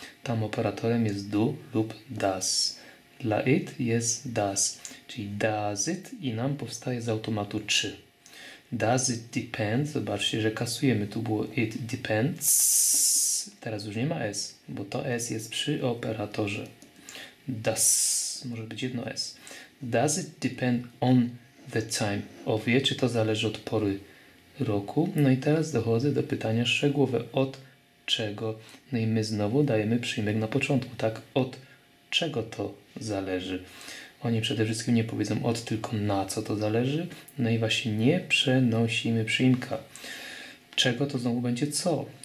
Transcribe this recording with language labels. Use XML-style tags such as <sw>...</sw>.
<pl>Tam operatorem jest do lub does. Dla it jest does. Czyli</pl> <en>does it</en> <pl>i nam powstaje z automatu czy.</pl> <en>Does it depend?</en> <pl>Zobaczcie, że kasujemy. Tu było</pl> <en>it depends.</en> <pl>Teraz już nie ma s, bo to s jest przy operatorze. Does. Może być jedno s.</pl> <en>Does it depend on the time of year?</en> <pl>Czy to zależy od pory roku? No i teraz dochodzę do pytania szczegółowe. Od czego? No i my znowu dajemy przyjmek na początku. Tak? Od czego to zależy? Oni przede wszystkim nie powiedzą od, tylko na co to zależy. No i właśnie nie przenosimy przyimka. Czego to znowu będzie co?</pl>